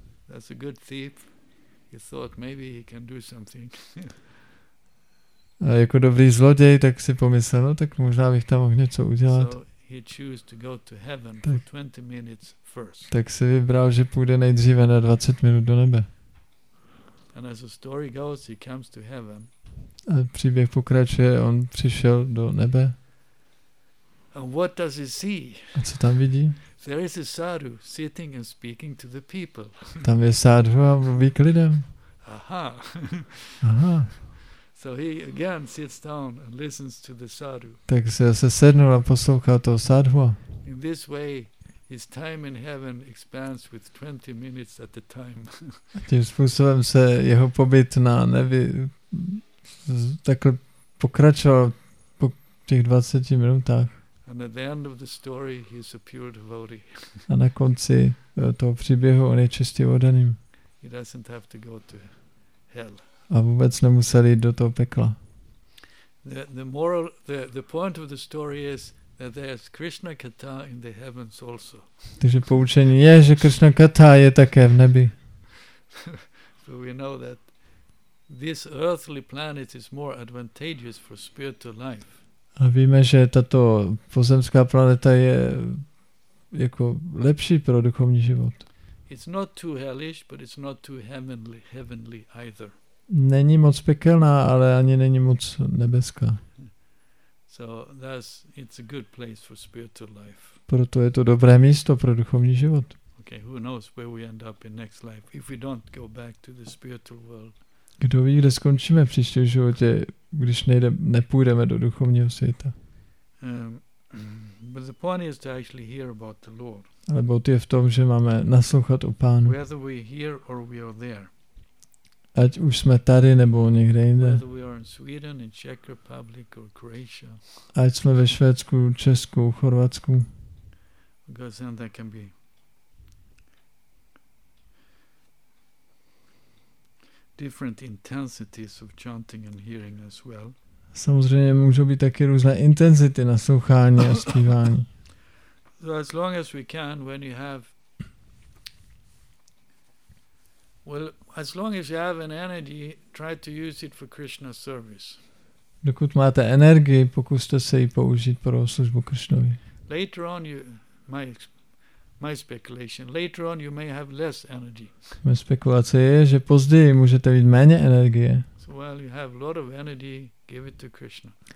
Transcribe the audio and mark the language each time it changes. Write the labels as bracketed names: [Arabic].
[English] That's a good thief. He thought maybe he can do something. [Czech] A jako dobrý zloděj, tak si pomyslel, no tak možná bych tam mohl něco udělat. [English] So he chose to go to heaven tak, for 20 minutes first. [Czech] Tak si vybral, že půjde nejdříve na 20 minut do nebe. [English] And as the story goes, he comes to heaven. [Czech] A příběh pokračuje, on přišel do nebe. [English] And what does he see? [Czech] A co tam vidí? [English] There is a sadhu sitting and speaking to the people. [Czech] Tam je sadhu a mluví k lidem. Aha. Aha. [English] So he again sits down and listens to the sadhu. [Czech] Tak se zase sednul a poslouchal toho sadhu. [English] In this way, his time in heaven expands with 20 minutes at a time. [Czech] Tím způsobem se jeho pobyt na nebi takhle pokračoval po těch 20 minutách. [English] And And at the end of the story, he's a pure devotee. [Czech] A na konci toho příběhu on je čistě oddaný. [English] He doesn't have to go to hell. [Czech] A vůbec nemusel jít do toho pekla. [English] The moral, the point of the story is that there's Krishna Katha in the heavens also. [Czech] Takže poučení je, že Krishna Katha je také v nebi. [English] So we know that this earthly planet is more advantageous for spiritual life. [Czech] A víme, že tato pozemská planeta je jako lepší pro duchovní život. [English] It's not too hellish, but it's not too heavenly either. [Czech] Není moc pekelná, ale ani není moc nebeská. [English] So that's, it's a good place for spiritual life. [Czech] Proto je to dobré místo pro duchovní život. [English] Okay, who knows where we end up in next life if we don't go back to the spiritual world. [Czech] Kdo ví, kde skončíme v příštím životě, když nepůjdeme do duchovního světa. [English] But the point is to actually hear about the Lord. [Czech] Ale bod je v tom, že máme naslouchat o Pánu. [English] Whether we are here or we are there. [Czech] Ať už jsme tady nebo někde jinde. [English] Whether we are in Sweden, in Czech Republic or Croatia. [Czech] Ať jsme ve Švédsku, Česku, Chorvatsku. [English] Because then that can be different intensities of chanting and hearing as well. [Czech] Samozřejmě můžou být taky různé intenzity naslouchání a zpívání. [English] So as long as we can, when you have, well, as long as you have an energy, try to use it for Krishna's service. [Czech] Dokud máte energii, pokuste se ji použít pro službu Krishnovi. [English] Later on, my speculation. Later on, you may have less energy. [Czech] Mé spekulace je, že později můžete mít méně energie. [English] So while you have a lot of energy, give it to Krishna.